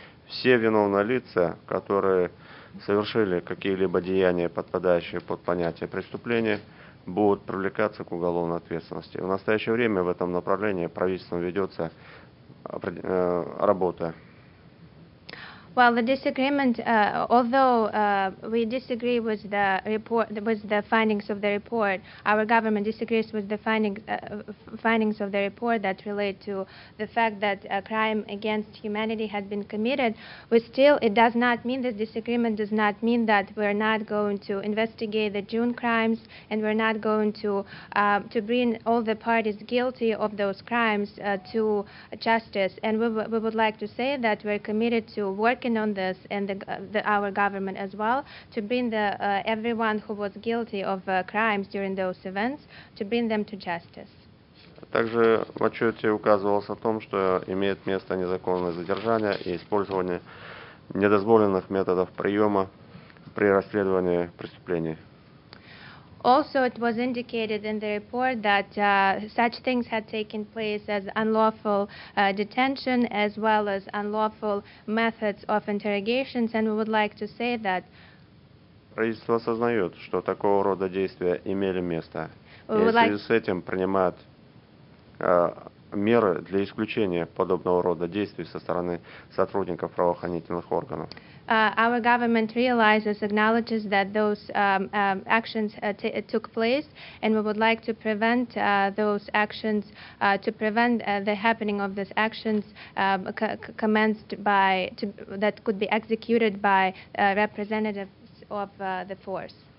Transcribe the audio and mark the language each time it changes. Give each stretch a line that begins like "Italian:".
Russian: Все виновные лица, которые совершили какие-либо деяния, подпадающие под понятие преступления, будут привлекаться к уголовной ответственности. В настоящее время в этом направлении правительством ведется работа.
English: Well, the disagreement, although we disagree with the report, with the findings of the report, our government disagrees with the findings of the report that relate to the fact that a crime against humanity had been committed. But still, it does not mean, this disagreement does not mean that we're not going to investigate the June crimes, and we're not going to bring all the parties guilty of those crimes to justice. And we would like to say that we're committed to working on this, and our government as well, to bring the everyone who was guilty of crimes during those events, to bring them to justice.
Russian: Также в отчете указывалось о том, что имеет место незаконное задержание и использование недозволенных методов приема при расследовании преступлений.
English: Also, it was indicated in the report that such things had taken place as unlawful detention as well as unlawful methods of interrogations, and we would like to say that
Russian: правительство осознает, что такого рода действия имели место. И в связи с этим принимает меры для исключения подобного рода действий со стороны сотрудников правоохранительных органов.
English: Our government realizes, acknowledges that those actions took place, and we would like to prevent those actions, to prevent the happening of these actions commenced by, to, that could be executed by representatives of the force.